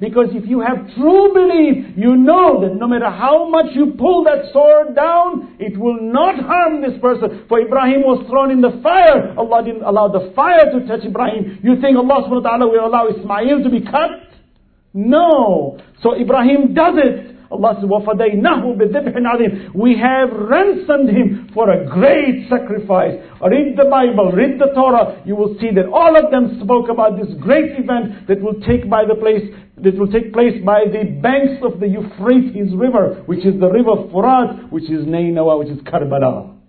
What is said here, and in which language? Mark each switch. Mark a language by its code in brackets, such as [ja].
[en] Because if you have true belief, you know that no matter how much you pull that sword down, it will not harm this person. For Ibrahim was thrown in the fire. Allah didn't allow the fire to touch Ibrahim. You think Allah subhanahu wa ta'ala will allow Ismail to be cut? No. So Ibrahim does it. Allah says, [ar] وَفَدَيْنَهُ بِذِبْحٍ عَظِيمٍ. [en] We have ransomed him for a great sacrifice. Read the Bible, read the Torah, you will see that all of them spoke about this great event that will take by the place, that will take place by the banks of the Euphrates River, which is the river Furat, which is Nainawa, which is Karbala.